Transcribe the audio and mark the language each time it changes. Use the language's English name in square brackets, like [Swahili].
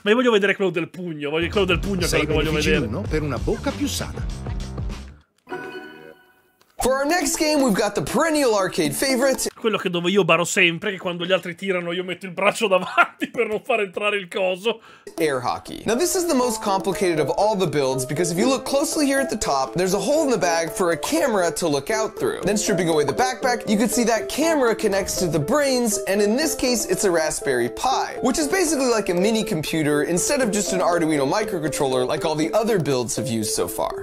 [Italian] Ma io voglio vedere quello del pugno, voglio quello del pugno, quello che voglio vedere. Uno per una bocca più sana. [English] For our next game we've got the perennial arcade favorite. [Italian] Quello che dove io baro sempre, che quando gli altri tirano io metto il braccio davanti per non far entrare il coso. [English] Air hockey. Now this is the most complicated of all the builds because if you look closely here at the top, there's a hole in the bag for a camera to look out through. Then stripping away the backpack, you can see that camera connects to the brains, and in this case it's a Raspberry Pi, which is basically like a mini computer instead of just an Arduino microcontroller like all the other builds have used so far.